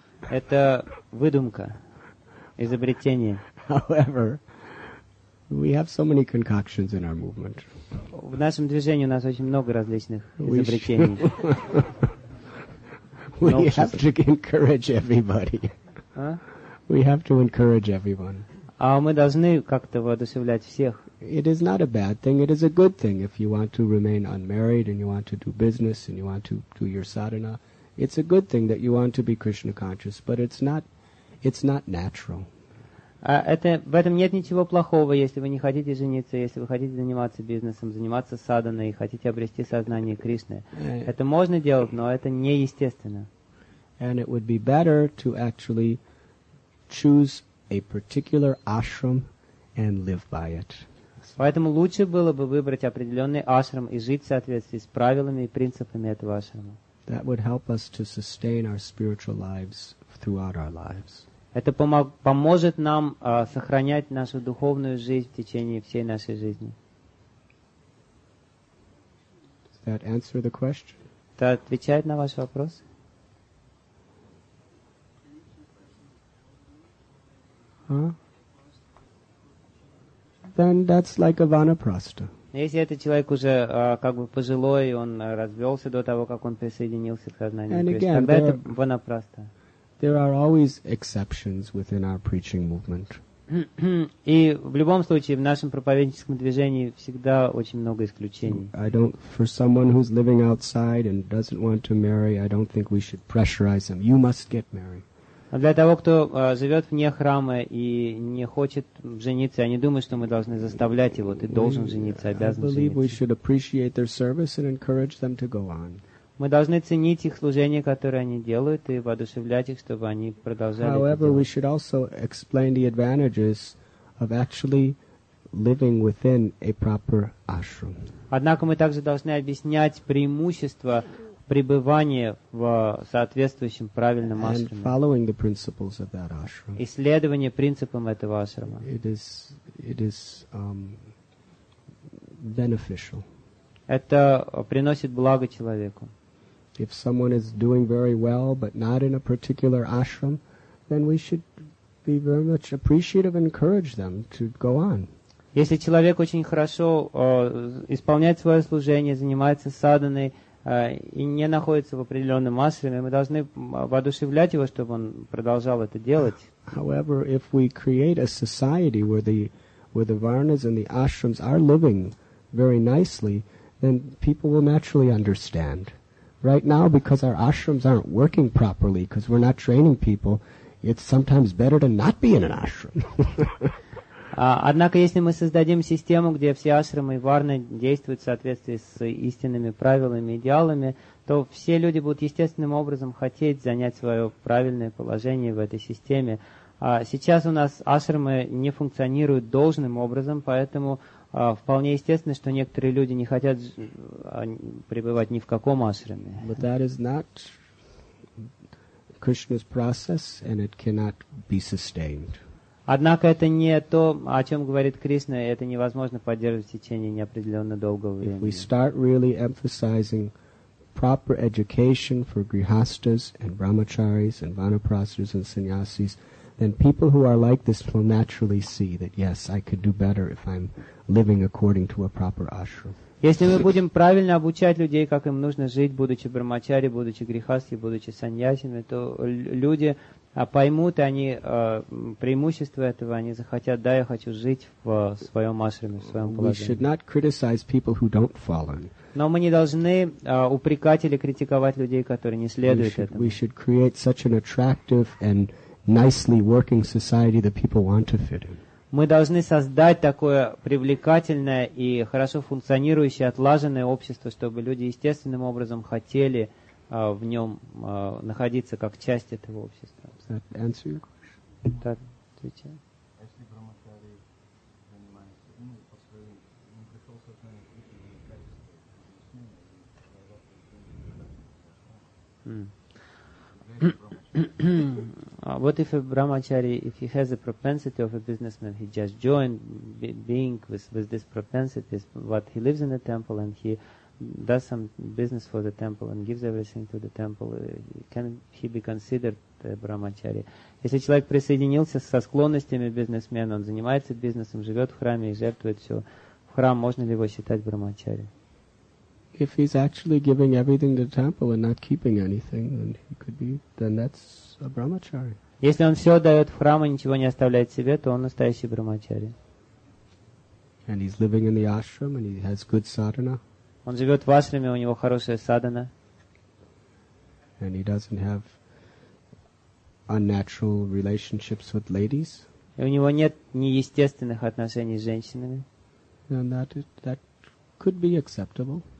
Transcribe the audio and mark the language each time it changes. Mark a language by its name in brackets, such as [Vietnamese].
[Russian] Это выдумка, изобретение. [English] However, we have so many concoctions in our movement. [Russian] В нашем движении у нас очень много различных изобретений. [English] We have to encourage everybody. We have to encourage everyone. [Russian] А мы должны как-то воодушевлять всех. [English] it is not a bad thing. It is a good thing if you want to remain unmarried and you want to do business and you want to do your sadhana. It's a good thing that you want to be Krishna conscious, but it's not natural. [Russian] Это, в этом нет ничего плохого, если вы не хотите жениться, если вы хотите заниматься бизнесом, заниматься садханой и хотите обрести сознание Кришны. Это можно делать, но это не естественно. [English] And it would be better to actually choose a particular ashram and live by it. [Russian] Поэтому лучше было бы выбрать определенный ашрам и жить в соответствии с правилами и принципами этого ашрама. [English] That would help us to sustain our spiritual lives throughout our lives. [Russian] Это поможет нам сохранять нашу духовную жизнь в течение всей нашей жизни. [English] Does that answer the question? [Russian] Это отвечает на ваш вопрос? [English] Then that's like a vanaprastha. [Russian] Если этот человек уже как бы пожилой, он развелся до того, как он присоединился к сознанию Кришны, тогда это ванапраста. [English] There are always exceptions within our preaching movement. [Russian] И в любом случае в нашем проповедническом движении всегда очень много исключений. [English] I don't, for someone who's living outside and doesn't want to marry, I don't think we should pressurize them. You must get married. [Russian] А для того, кто живет вне храма и не хочет жениться, я не думаю, что мы должны заставлять его. Ты должен жениться, обязан жениться. [English] I believe we should appreciate their service and encourage them to go on. [Russian] Мы должны ценить их служение, которое они делают, и воодушевлять их, чтобы они продолжали. [English] However, [Russian] это [English] we should also explain the advantages of actually living within a proper ashram. [Russian] Однако мы также должны объяснять преимущества пребывания в соответствующем правильном ашраме. [English] And following the principles of that ashram. [Russian] Исследование принципам этого ашрама. [English] It is beneficial. [Russian] Это приносит благо человеку. [English] If someone is doing very well, but not in a particular ashram, then we should be very much appreciative and encourage them to go on. [Russian] Если человек очень хорошо исполняет свое служение, занимается садханой, и не находится в определенном ашраме, мы должны воодушевлять его, чтобы он продолжал это делать. [English] However, if we create a society where the varnas and the ashrams are living very nicely, then people will naturally understand. Right now, because our ashrams aren't working properly, because we're not training people, it's sometimes better to not be in an ashram. [Russian] Однако, если мы создадим систему, где все ашрамы и варны действуют в соответствии с истинными правилами и идеалами, то все люди будут естественным образом хотеть занять свое правильное положение в этой системе. Сейчас у нас ашрамы не функционируют должным образом, поэтому вполне естественно, что некоторые люди не хотят пребывать ни в каком ашраме. [English] But that is not Krishna's process, and it cannot be sustained. [Russian] Однако это не то, о чем говорит Кришна, и это невозможно поддерживать в течение неопределенно долгого времени. [English] If we start really emphasizing proper education for grihasthas and brahmacharis and vanaprasthas and sannyasis, then people who are like this will naturally see that, yes, I could do better if I'm living according to a proper ashram. [Russian] Если мы будем правильно обучать людей, как им нужно жить, будучи брахмачари, будучи грихасхи, будучи саньясами, то люди поймут, и они преимущества этого, они захотят, да, я хочу жить в своем ашраме, в своем положении. [English] We should not criticize people who don't follow. [Russian] Но мы не должны упрекать или критиковать людей, которые не следуют этому. [English] We should create such an attractive and nicely working society that people want to fit in. [Russian] Мы должны создать такое привлекательное и хорошо функционирующее, отлаженное общество, чтобы люди естественным образом хотели в нем находиться как часть этого общества. [English] Does that answer your question? [Russian] Так, отвечаю. [English] What if a brahmachari, if he has a propensity of a businessman, he just joined being with this propensity, but he lives in the temple and he does some business for the temple and gives everything to the temple, can he be considered a brahmachari? [Russian] Если человек присоединился со склонностями бизнесмена, он занимается бизнесом, живет в храме и жертвует все в храм, можно ли его считать брахмачари? [English] If he's actually giving everything to the temple and not keeping anything, then he could be. Then that's a brahmachari. [Russian] Если он все дает в храм и ничего не оставляет себе, то он настоящий брахмачари. [English] And he's living in the ashram and he has good sadhana. [Russian] Он живет в ашраме, у него хорошая садхана. [English] And he doesn't have unnatural relationships with ladies. [Russian] И у него нет неестественных отношений с женщинами. [English] And that could be acceptable.